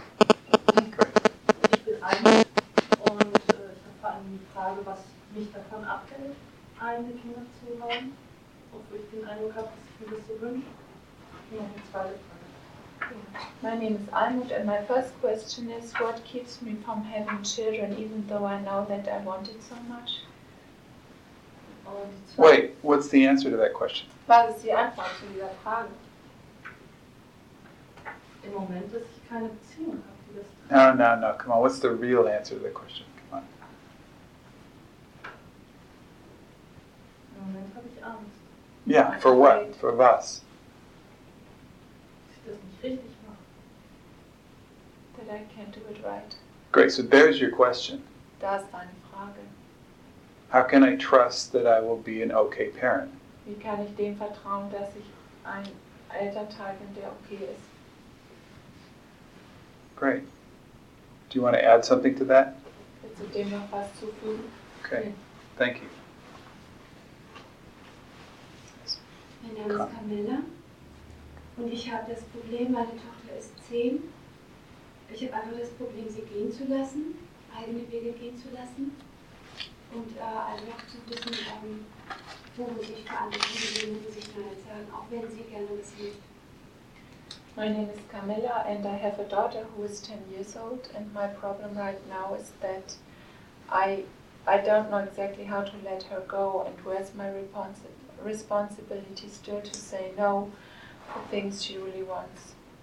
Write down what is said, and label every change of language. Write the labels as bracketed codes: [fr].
[de] Ich bin Anja, und ich habe vor allem die Frage, was mich davon abhält, eigene Kinder zu haben. wofür ich den Eindruck habe, dass ich mir das so wünsche. Noch eine zweite Frage. [en] My name is Almut and my first question is, what keeps me from having children even though I know that I want it so much? Wait, what's the answer to that question? [de] Was ist die Antwort zu dieser Frage? Im Moment, dass ich keine Beziehung habe. [en] No, no, no, come on. What's the real answer to the question? Come on. Yeah, for what? For was? That I can't do it right. Great, so there's your question. [de] Da ist deine Frage. [en] How can I trust that I will be an okay parent? [de] Wie kann ich dem vertrauen, dass ich ein Elternteil bin, der okay ist? [en] Great. Do you want to add something to that? Okay, thank you. [de] Mein Name ist Camilla und ich habe das Problem, meine Tochter ist 10. Ich habe einfach das Problem, sie gehen zu lassen, eigene Wege gehen zu lassen und einfach zu wissen, wo muss ich verantworten, wo muss ich Nein sagen, auch wenn sie gerne das will. [en] My name is Camilla and I have a daughter who is 10 years old and my problem right now is that I don't know exactly how to let her go and where's my responsibility still to say no for things she really wants.